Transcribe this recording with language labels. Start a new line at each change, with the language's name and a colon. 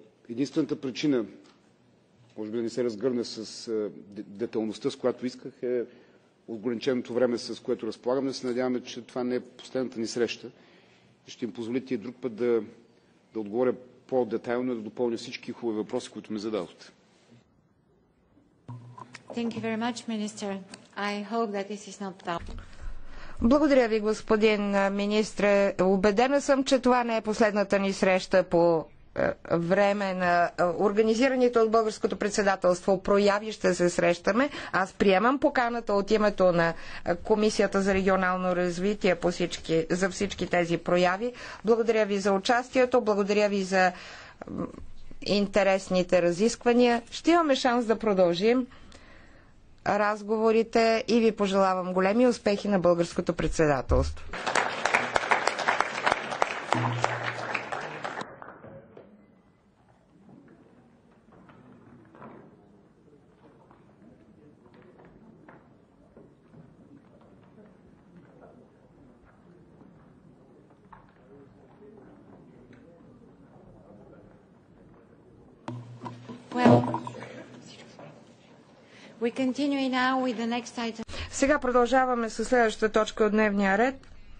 Bulgarian: Единствената причина, може би да не се разгърне с детайлността, с която исках, е ограниченото време, с което разполагаме. Се надяваме, че това не е последната ни среща ще им позволите и друг път да отговоря по-детайлно и да допълня всички хубави въпроси, които ми зададохте.
English: Thank you very much, Minister. I hope that this is not the...
Bulgarian: Благодаря ви, господин министре. Убедена съм, че това не е последната ни среща по време на организираните от българското председателство прояви, ще се срещаме. Аз приемам поканата от името на Комисията за регионално развитие за всички тези прояви. Благодаря ви за участието, благодаря ви за интересните разисквания. Ще имаме шанс да продължим разговорите и ви пожелавам големи успехи на българското председателство.
English: Continue now with the next item.
Bulgarian: Сега продължаваме със следващата точка от дневния ред.